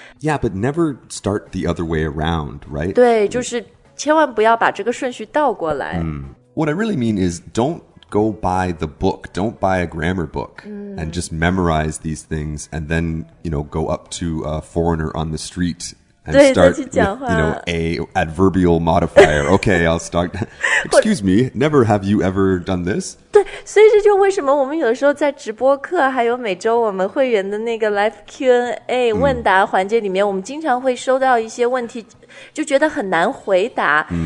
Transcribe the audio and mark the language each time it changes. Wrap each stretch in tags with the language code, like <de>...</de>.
<en>Yeah, but never start the other way around, right?</en> <zh>对、mm. 就是千万不要把这个顺序倒过来、 mm.</zh> <en>What I really mean is don't go buy the book Don't buy a grammar book、 mm. And just memorize these things And then, you know, go up to a foreigner on the streetAnd start with, you know, a adverbial modifier. Okay, I'll start. Excuse me, never have you ever done this?</en> <zh>对，所以这就为什么我们有的时候在直播课，还有每周我们会员的那个 live Q&A 问答环节里面，我们经常会收到一些问题，就觉得很难回答。</zh>